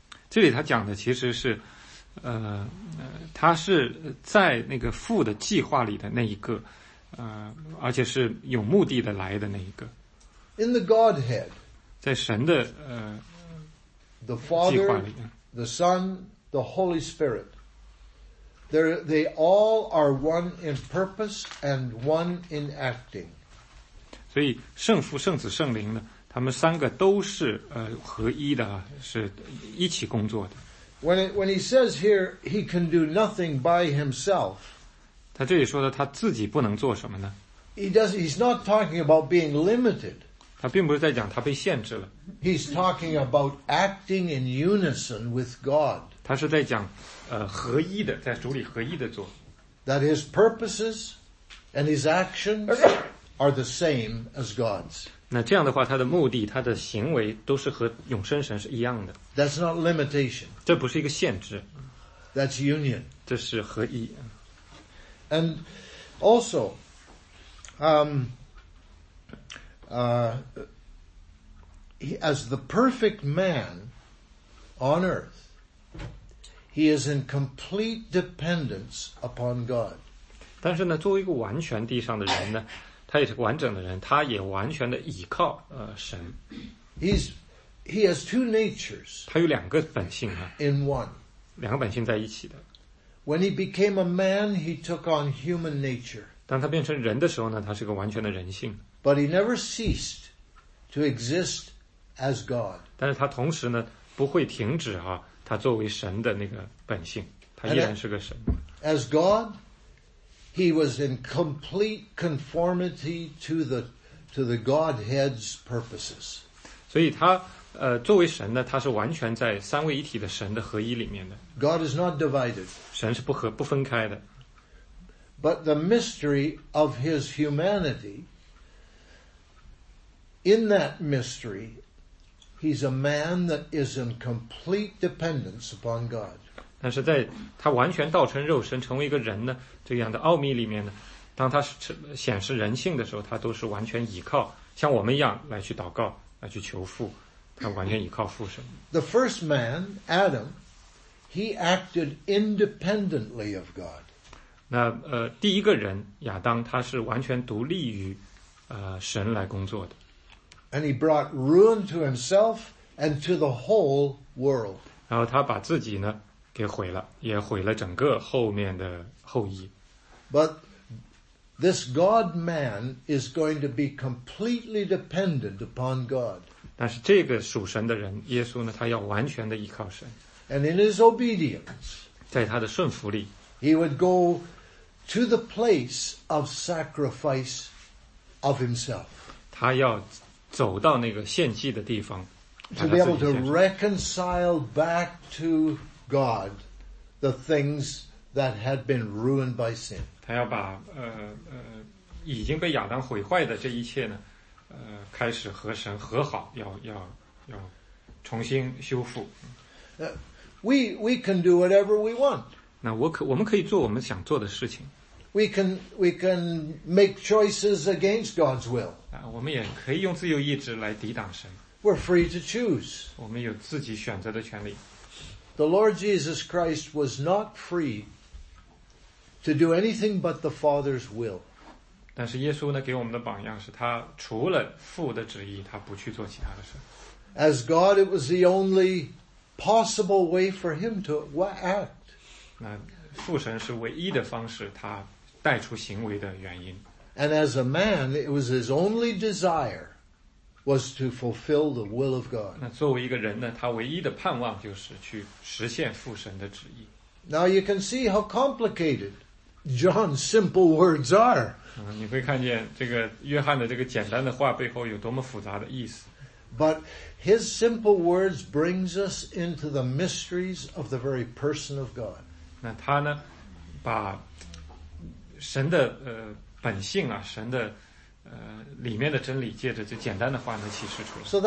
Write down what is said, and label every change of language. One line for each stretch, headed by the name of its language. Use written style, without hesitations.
Chinese: 这里他讲的其实是他是在那个父的计划里的那一个，而且是有目的的来的那一个。
English: In the Godhead,
Chinese: 在神的
English: the Father,
Chinese: 计划里
English: ，the Son, the Holy Spirit, They all are one in purpose and one in acting.
Chinese: 所以圣父、圣子、圣灵呢，他们三个都是合一的，是一起工作的。
English: When he says here, he can do nothing by himself.
Chinese: 他这里说的他自己不能做什么呢？
English: He's not talking about being limited.
Chinese: 他并不是在讲他被限制了。
English: He's talking about acting in unison with God.
Chinese: 他是在讲合一的，在主里合一的做。
English: That his purposes and his actions are the same as God's.
Chinese: 那这样的话，他的目的、他的行为都是和永生神是一样的。
English: That's not limitation.
Chinese: 这不是一个限制。
English: That's union.
Chinese: 这是合一。
English: And also,as the perfect man on earth, he is in complete dependence upon God.
Chinese: 但是呢，作为一个完全地上的人呢，他也是完整的人，他也完全的倚靠神。
English: He has two natures.
Chinese: 他有两个本性啊。
English: In one.
Chinese: 两个本性在一起的。
English: When he became a man, he took on human nature.
Chinese: 当他变成人的时候呢，他是个完全的人性。
English: But he never ceased to exist as God.
Chinese: 但是他同时呢，不会停止啊，他作为神的那个本性，他依然是个神。
English: As God, he was in complete conformity to the Godhead's purposes.
Chinese: 所以他作为神呢，他是完全在三位一体的神的合一里面的。
English: God is not divided.
Chinese: 神是不分开的。
English: But the mystery of his humanity, in that mystery, he's a man that is in complete dependence upon God.
Chinese: 但是在他完全道成肉身成为一个人呢，这样的奥秘里面呢，当他显示人性的时候，他都是完全倚靠，像我们一样来去祷告，来去求父，他完全倚靠父神。
English: The first man, Adam, he acted independently of God.
Chinese: 那第一个人亚当，他是完全独立于神来工作的。
English: And he brought ruin to himself and to the whole world.
Chinese: 然后他把自己呢给毁了，也毁了整个后面的后裔。
English: But this God-man is going to be completely dependent upon God.
Chinese: 但是这个属神的人，耶稣呢，他要完全的依靠神。
English: And in his obedience,
Chinese: 在他的顺服里
English: ，he would go. To the place of sacrifice of himself.
Chinese: 他要走到那个献祭的地方。
English: To be able to reconcile back to God the things that had been ruined by sin.
Chinese: 他要把已经被亚当毁坏的这一切呢开始和神和好，要重新修复。
English: We can do whatever we want.
Chinese: 那我们可以做我们想做的事情。
English: We can make choices against God's will.
Chinese: 我们也可以用自由意志来抵挡神。
English: We're free to choose.
Chinese: 我们有自己选择的权利。
English: The Lord Jesus Christ was not free to do anything but the Father's will.
Chinese: 但是耶稣呢，给我们的榜样是他除了父的旨意，他不去做其他的事。
English: As God, it was the only possible way for him to act.
Chinese: 那父神是唯一的方式，他带出行为的原因。
English: And as a man, it was his only desire was to fulfill the will of God.
Chinese: 那作为一个人呢，他唯一的盼望就是去实现父神的旨意。
English: Now you can see how complicated John's simple words are.
Chinese: 你会看见这个约翰的这个简单的话背后有多么复杂的意思。
English: But his simple words brings us into the mysteries of the very person of God.
Chinese: 那他呢，把神的本性啊，神的里面的真理，借着这简单的话能启示出来。